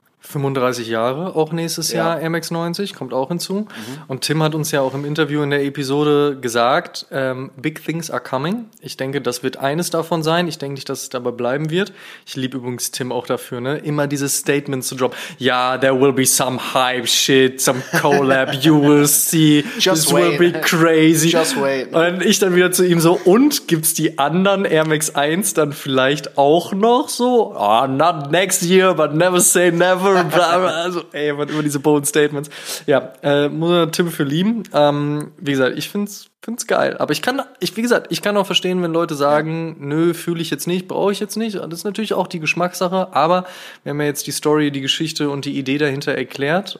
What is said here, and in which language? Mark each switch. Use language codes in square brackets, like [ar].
[de] 35 Jahre auch nächstes ja. Jahr, Air Max 90, kommt auch hinzu. Mhm. Und Tim hat uns ja auch im Interview in der Episode gesagt, [en] big things are coming. [de] Ich denke, das wird eines davon sein. Ich denke nicht, dass es dabei bleiben wird. Ich liebe übrigens Tim auch dafür, ne, immer dieses Statement zu droppen. [en] Ja, there will be some hype shit, some collab, you will see. Just this wait. Will be crazy. Just wait. [de] Und ich dann wieder zu ihm so, und gibt's die anderen Air Max 1 dann vielleicht auch noch so? [en] Ah, oh, not next year, but never say never. [de] Also, ey, immer diese bold Statements. Ja, muss man Tim für lieben. Wie gesagt, ich find's geil. Aber ich kann auch verstehen, wenn Leute sagen, ja. Nö, fühle ich jetzt nicht, brauche ich jetzt nicht. Das ist natürlich auch die Geschmackssache. Aber wir haben ja jetzt die Story, die Geschichte und die Idee dahinter erklärt.